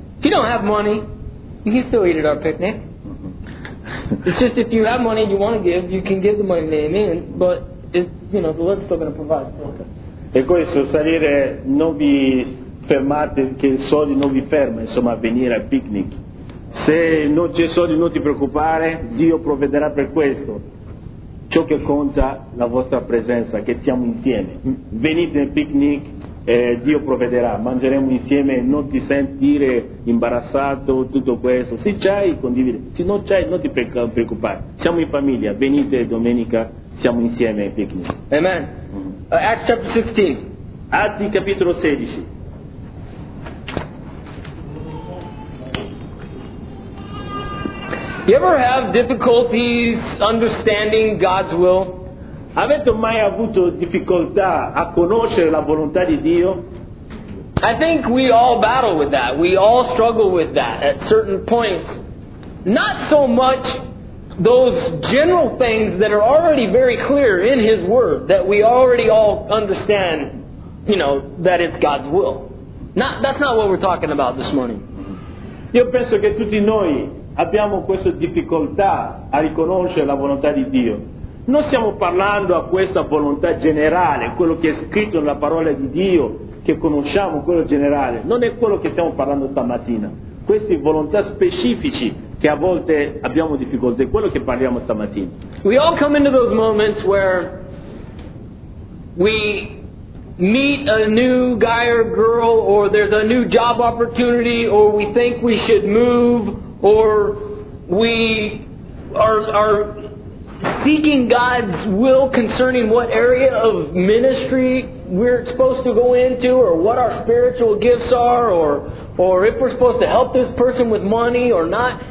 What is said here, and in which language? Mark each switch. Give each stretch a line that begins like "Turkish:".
English: If you don't have money, you can still eat at our picnic. It's just if you have money and you want to give, you can give the money to Naomi, but the Lord's still going to provide.
Italian: E questo, salire, non vi fermate, che i soldi non vi ferma, insomma, venire al picnic. Se non c'è soldi, non ti preoccupare, Dio provvederà per questo. Ciò che conta è la vostra presenza, che siamo insieme. Venite al picnic e Dio provvederà. Mangeremo insieme, non ti sentire imbarazzato, tutto questo. Se c'hai, condividi. Se non c'hai, non ti preoccupare. Siamo in famiglia, venite domenica, siamo insieme al picnic.
English: Amen. Acts chapter 16.
Italian: Atti capitolo 16.
English: You ever have difficulties understanding God's will?
Italian: Avete mai avuto difficoltà a conoscere la volontà di Dio?
English: I think we all battle with that. We all struggle with that at certain points. Not so much those general things that are already very clear in His Word, that we already all understand, that it's God's will. That's not what we're talking about this morning.
Italian: Io penso che tutti noi abbiamo questa difficoltà a riconoscere la volontà di Dio. Non stiamo parlando a questa volontà generale, quello che è scritto nella parola di Dio, che conosciamo, quello generale. Non è quello che stiamo parlando stamattina. Queste volontà specifici che a volte abbiamo difficoltà, è quello che parliamo stamattina.
English: We all come into those moments where we meet a new guy or girl, or there's a new job opportunity, or we think we should move, or we are seeking God's will concerning what area of ministry we're supposed to go into, or what our spiritual gifts are, or if we're supposed to help this person with money or not.